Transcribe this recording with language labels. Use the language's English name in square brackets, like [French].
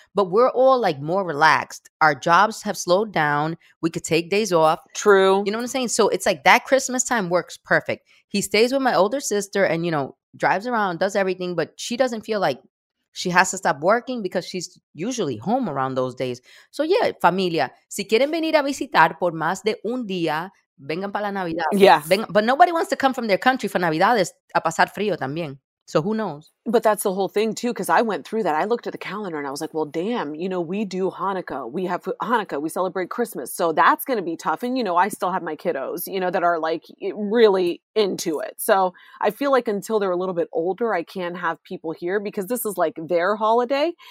[English] But we're all like more relaxed. Our jobs have slowed down. We could take days off. True. You know what I'm saying? So it's like that Christmas time works perfect. He stays with my older sister and, you know, drives around, does everything. But she doesn't feel like she has to stop working because she's usually home around those days. So yeah, [Spanish] familia, si quieren venir a visitar por más de un día, vengan para la Navidad. [English] Yeah. But nobody wants to come from their country for Navidades [Spanish] a pasar frío también. [English] So who knows? But that's the whole thing too, because I went through that. I looked at the calendar and I was like, well, damn, you know, we do Hanukkah. We have Hanukkah. We celebrate Christmas. So that's going to be tough. And, you know, I still have my kiddos, you know, that are like really into it. So I feel like until they're a little bit older, I can have people here because this is like their holiday.